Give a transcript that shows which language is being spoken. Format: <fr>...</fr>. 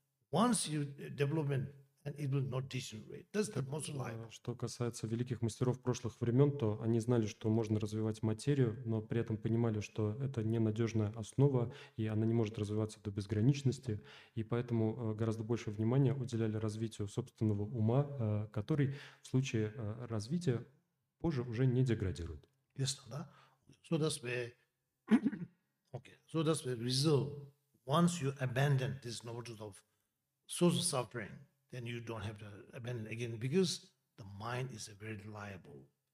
<en>Once you development. And it will not degenerate. That's the most reliable.</en> <ru>Что касается великих мастеров прошлых времен, то они знали, что можно развивать материю, но при этом понимали, что это ненадежная основа, и она не может развиваться до безграничности, и поэтому гораздо больше внимания уделяли развитию собственного ума, который в случае развития позже уже не деградирует.</ru> <en>Yes, да? So that's where, okay. So that's where result. Once you abandon this notion of social suffering, then you don't have to abandon again because the mind is very reliable.</en>